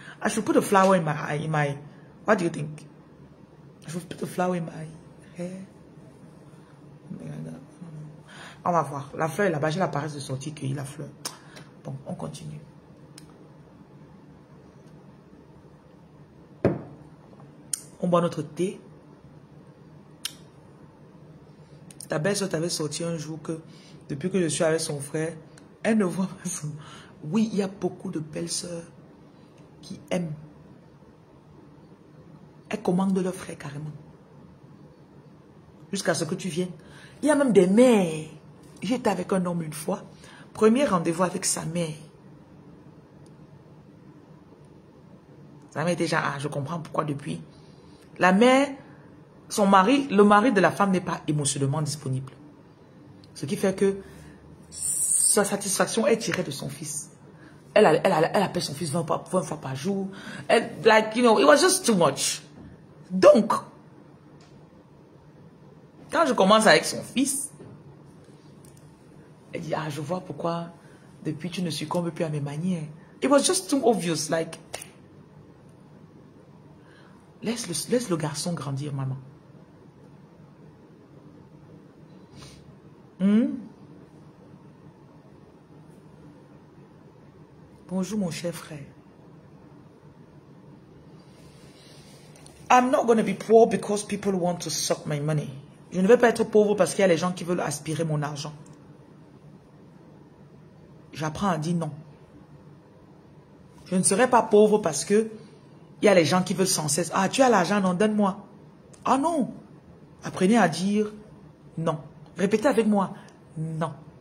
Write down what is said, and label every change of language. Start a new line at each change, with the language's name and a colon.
English: I should put a flower in my eye. In my, what do you think? I should put a flower in my hair.
French: On va voir. La fleur est là-bas. J'ai la paresse de sortir cueillir la fleur. Bon, on continue. On boit notre thé. Ta belle-sœur t'avait sorti un jour que depuis que je suis avec son frère, elle ne voit pas son. Oui, il y a beaucoup de belles-sœurs qui aiment. Elles commandent leur frère carrément. Jusqu'à ce que tu viennes. Il y a même des mères. J'étais avec un homme une fois. Premier rendez-vous avec sa mère. Sa mère déjà, ah, je comprends pourquoi depuis. La mère, son mari, le mari de la femme n'est pas émotionnellement disponible. Ce qui fait que sa satisfaction est tirée de son fils. Elle appelle son fils 20 fois par jour.
English: Like, you know, it was just too much.
French: Donc, quand je commence avec son fils, elle dit, ah, je vois pourquoi depuis tu ne succombes plus à mes manières.
English: It was just too obvious. Like,
French: laisse le garçon grandir, maman. Bonjour, mon cher frère.
English: I'm not going to be poor because people want to suck my money.
French: Je ne vais pas être pauvre parce qu'il y a les gens qui veulent aspirer mon argent. J'apprends à dire non. Je ne serai pas pauvre parce que il y a les gens qui veulent sans cesse. Ah, tu as l'argent, non, donne-moi. Ah non. Apprenez à dire non. Répétez avec moi. Non.